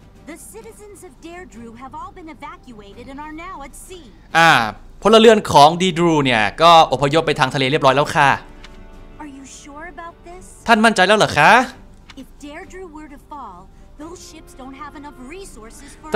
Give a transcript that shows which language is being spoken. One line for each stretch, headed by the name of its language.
English: The citizens of Deirdre have all been evacuated and are now at sea.
Thai: พลเรือนของ Deirdre เนี่ยก็อพยพไปทางทะเลเรียบร้อยแล้วค่ะ
English: Are you sure about this?
Thai: ท่านมั่นใจแล้วเหรอคะ
English: If Deirdre were to fall, those ships don't have enough resources for